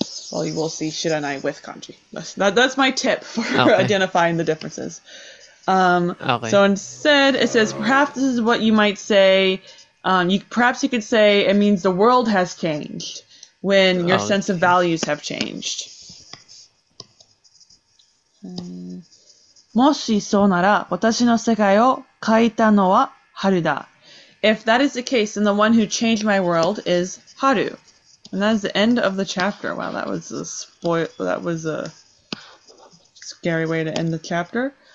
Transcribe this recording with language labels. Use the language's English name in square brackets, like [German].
[English] Well, you will see shirenai with kanji. That's my tip for identifying the differences. So instead, it says, perhaps this is what you might say. Perhaps you could say it means the world has changed when your sense of values have changed. [Japanese] もしそうなら、私の世界を変えたのは春だ。 [English] If that is the case, then the one who changed my world is Haru. And that is the end of the chapter. Wow, that was a scary way to end the chapter.